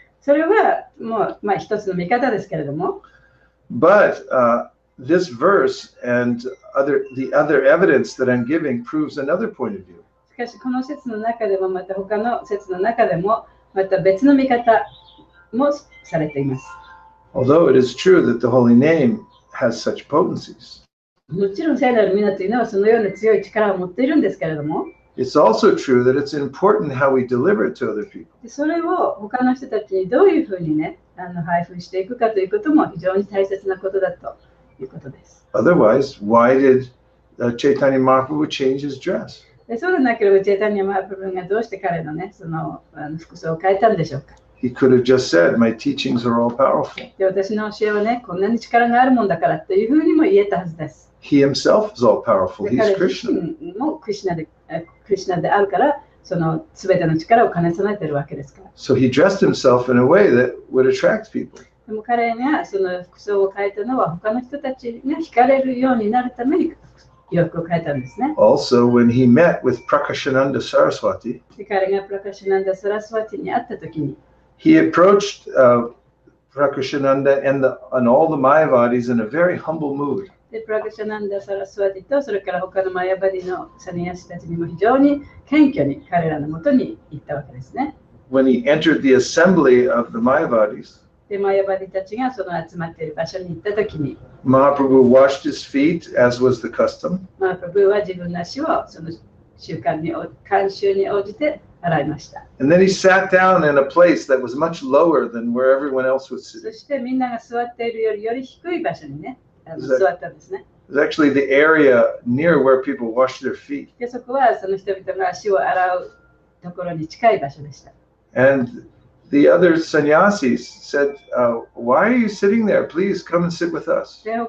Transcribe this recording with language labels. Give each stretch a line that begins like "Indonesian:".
Japanese: それはもう、まあ、一つの見方ですけれども。
English: But, this verse and the other evidence that I'm giving proves another point of view.
Japanese: しかしこの説の中でもまた他の説の中でもまた別の見方もされています。
English: Although it is true that the holy name has such potencies.
Japanese: もちろん聖なる皆というのはそのような強い力を持っているんですけれども。
English: It's also true that it's important how we deliver it to other people.
Japanese: それを他の人たちにどういうふうにね、配布していくかということも非常に大切なことだということです。
English: Otherwise, why did Chaitanya Mahaprabhu change his dress?
Japanese: そうでなければ、チェイタニア・マハプラブーがどうして彼のね、その、服装を変えたんでしょうか。
English: He could have just said, "My teachings are all powerful."
Japanese: 私の教えはね、こんなに力があるもんだからというふうにも言えたはずです。
English: He himself is all powerful. He's Krishna.
Japanese: もクリシュナで、クリシュナであるから、その全ての力を兼ね備えているわけですから。
English: So he dressed himself in a way that would attract people.
Japanese: でも彼がその服装を変えたのは、他の人たちが惹かれるようになるために洋服を変えたんですね。
English: Also, when he met with Prakashananda Saraswati,
Japanese: 彼がPrakashananda Saraswatiに会ったときに、
English: he approached Prakashananda and all the Mayavadis in a very humble mood.
Japanese: でプラクシャナンダ・サラスワティとそれから他のマヤバディのサニヤシたちにも非常に謙虚に彼らのもとに行ったわけですね。
English: When he entered the assembly of the Mayavadis,
Japanese: でマヤバディたちがその集まっている場所に行ったときに、
English: Mahaprabhu washed his feet, as was the custom.
Japanese: Mahaprabhu は自分の足をその習慣に、慣習に応じて洗いました。
English: And then he sat down in a place that was much lower than where everyone else was sitting.
Japanese: そしてみんなが座っているより、より低い場所にね。
English: It was actually the area near where people washed their feet. And the other sannyasis said, why are you sitting there? Please come and sit with us.